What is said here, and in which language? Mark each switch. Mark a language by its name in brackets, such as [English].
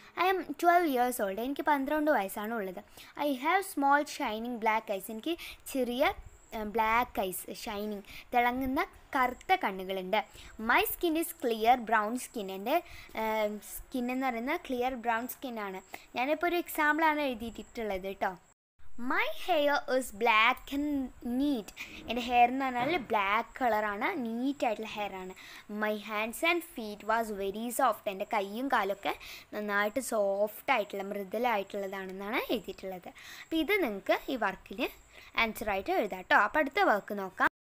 [English] I'm 12 years old. [Malayalam] എനിക്ക് 12 വയസ്സാണ് ഉള്ളത്. [English] I have small shining black eyes. [Malayalam] എനിക്ക് ചെറിയ ബ്ലാക്ക് ഐസ്, ഷൈനിങ് തിളങ്ങുന്ന കറുത്ത കണ്ണുകളുണ്ട്. [English] My skin is clear brown skin. [Malayalam] എൻ്റെ സ്കിൻ എന്ന് പറയുന്നത് ക്ലിയർ ബ്രൗൺ സ്കിന്നാണ്. ഞാനിപ്പോൾ ഒരു എക്സാമ്പിളാണ് എഴുതിയിട്ടുള്ളത് കേട്ടോ. [English] My hair is black and neat. [Malayalam] എൻ്റെ ഹെയർ എന്ന് പറഞ്ഞാൽ ബ്ലാക്ക് കളറാണ്, നീറ്റായിട്ടുള്ള ഹെയറാണ്. [English] My hands and feet was very soft. [Malayalam] എൻ്റെ കൈയും കാലൊക്കെ നന്നായിട്ട് സോഫ്റ്റായിട്ടുള്ള, മൃദുലായിട്ടുള്ളതാണെന്നാണ് എഴുതിയിട്ടുള്ളത്. അപ്പോൾ ഇത് നിങ്ങൾക്ക് ഈ വർക്കിന് ആൻസറായിട്ട് എഴുതാം കേട്ടോ. അപ്പോൾ അടുത്ത വർക്ക് നോക്കാം.